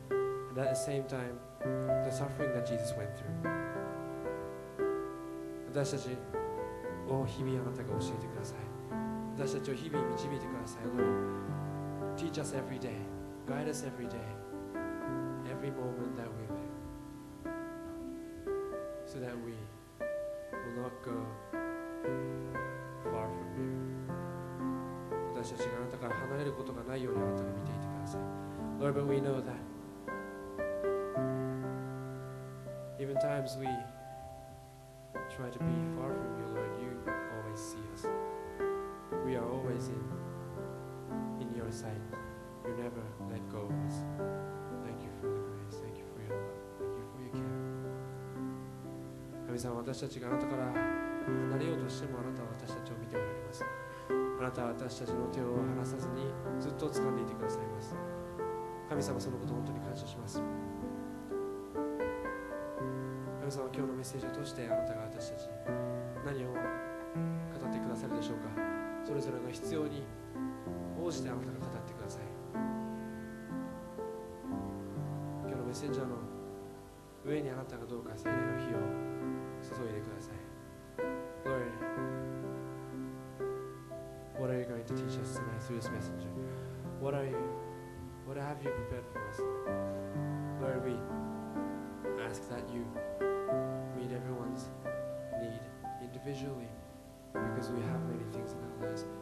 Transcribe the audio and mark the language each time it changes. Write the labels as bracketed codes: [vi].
[en] And at the same time, the suffering that Jesus went through. [ja] 私たちを日々あなたが教えてください。私たちを日々導いてください。 [en] Lord. Teach us every day. Guide us every day. Every moment that we live. So that we will not go far from you. [ja] 私たちがあなたから離れることがないようにあなたが見ていてください。 [en] Lord, but we know that. Even times we try to be far from you, Lord, you always see us. We are always in your sight. You never let go of us. Thank you for the grace. Thank you for your love. Thank you for your care. [ja] 神様、私たちがあなたから離れようとしても、あなたは私たちを見ておられます。あなたは私たちの手を離さずにずっと掴んでいてくださいます。神様、そのことを本当に感謝します。神様、今日のメッセージを通してあなたが私たちに何を語ってくださるでしょうか。それぞれの必要に応じてあなたが語ってください。メッセンジャーの上にあなたがどうか聖霊の火を注いでください。 [en] Lord, what are you going to teach us tonight through this messenger? What have you prepared for us? Lord, we ask that you meet everyone's need individually because we have many things in our lives.